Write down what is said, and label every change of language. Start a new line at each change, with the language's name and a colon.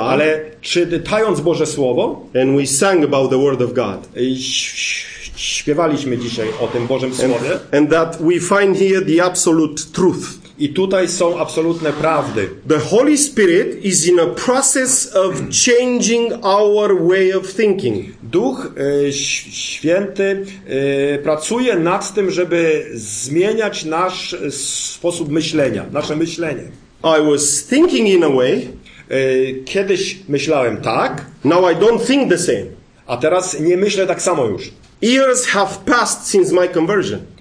Polish: ale czytając Boże słowo,
English: and we sang about the word of God.
Polish: Śpiewaliśmy dzisiaj o tym Bożym słowie.
English: And that we find here the absolute truth.
Polish: I tutaj są absolutne prawdy.
English: The Holy Spirit is in a process of changing our way of thinking.
Polish: Duch Święty pracuje nad tym, żeby zmieniać nasz sposób myślenia, nasze myślenie.
English: I was thinking in a way.
Polish: Kiedyś myślałem tak.
English: Now I don't think the same.
Polish: A teraz nie myślę tak samo już.
English: Years have passed since my conversion.